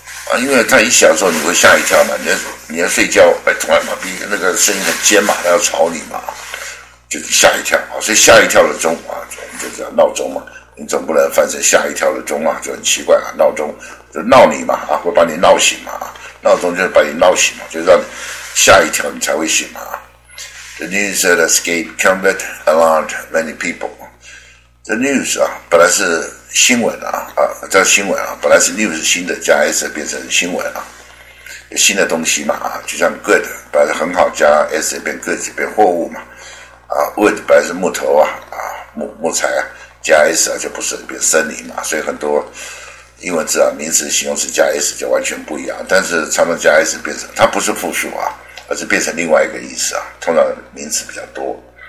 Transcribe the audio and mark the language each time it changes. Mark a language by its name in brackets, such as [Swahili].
[Chinese] 啊，因为它一响的时候你会吓一跳嘛，你要睡觉，哎，突然嘛，那个声音很尖嘛，它要吵你嘛，就是吓一跳啊，所以吓一跳的钟啊，就叫闹钟嘛，你总不能翻成吓一跳的钟啊，就很奇怪啊，闹钟就闹你嘛，啊，会把你闹醒嘛，闹钟就是把你闹醒嘛，就让你吓一跳你才会醒嘛。 [English] The news that escaped combat alarmed many people. The news [Chinese] 啊，本来是新闻啊，叫新闻啊，本来是 news 新的，加 s 变成新闻啊，有新的东西嘛啊，就像 good 本来很好，加 s 变 good 变货物嘛啊 ，wood 本来是木头啊啊木材啊，加 s 啊就不是变森林嘛，所以很多英文字啊名词形容词加 s 就完全不一样，但是常常加 s 变成它不是复数啊，而是变成另外一个意思啊，通常名词比较多。